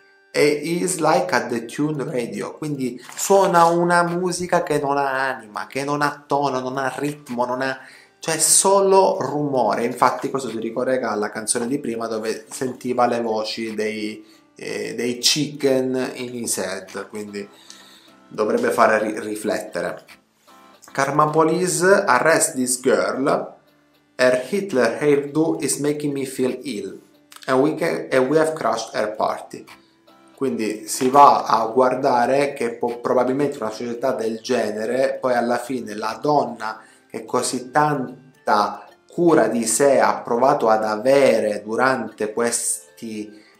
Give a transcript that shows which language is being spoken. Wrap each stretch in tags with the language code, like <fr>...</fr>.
<en>E is like a The Tune Radio,</en> <it>quindi suona una musica che non ha anima, che non ha tono, non ha ritmo, non ha, cioè solo rumore. Infatti, questo si ricollega alla canzone di prima dove sentiva le voci dei chicken</it> <en>in his head,</en> <it>quindi dovrebbe fare riflettere.</it> <en>Karma police arrest this girl. Her Hitler hairdo is making me feel ill. And we have crashed her party.</en> <it>Quindi si va a guardare che probabilmente una società del genere, poi alla fine la donna che così tanta cura di sé ha provato ad avere durante questi</it>